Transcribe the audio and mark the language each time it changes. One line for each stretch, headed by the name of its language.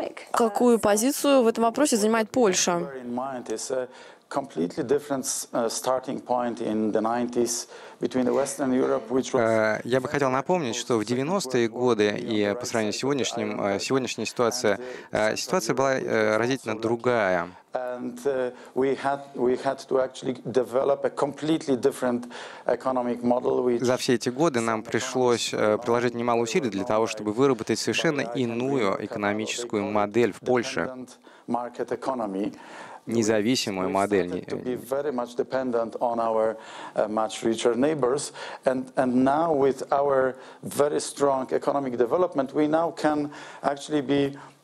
Russian: Какую позицию в этом вопросе занимает Польша?
English: Completely different starting point in the 90s between the Western Europe, which was.
Russian: Я бы хотел напомнить, что в 90-е годы и по сравнению с сегодняшним сегодняшней ситуация была разительно другая.
English: And we had to actually develop a completely different economic model.
Russian: За все эти годы нам пришлось приложить немало усилий для того, чтобы выработать совершенно иную экономическую модель в Польше.
English: Market economy.
Russian: Независимую модель.
English: We started to be very much dependent on our much richer neighbors, and now with our very strong economic development, we now can actually be.